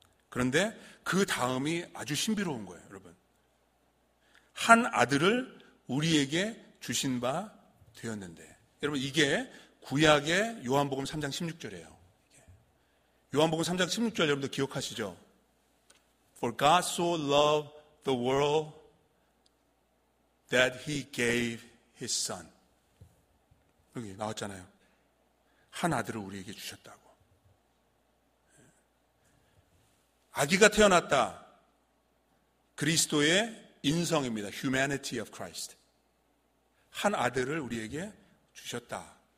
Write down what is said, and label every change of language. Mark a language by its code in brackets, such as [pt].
[ko] 그런데 그 다음이 아주 신비로운 거예요, 여러분. 한 아들을 우리에게 주신 바 되었는데. 여러분, 이게 구약의 요한복음 3장 16절이에요. 요한복음 3장 16절 여러분들 기억하시죠? [en] For God so loved the world that he gave his son. [ko] 여기 나왔잖아요. 한 아들을 우리에게 주셨다고. 아기가 태어났다. 그리스도의 인성입니다. [en] Humanity of Christ. [ko] 한 아들을 우리에게 주셨다.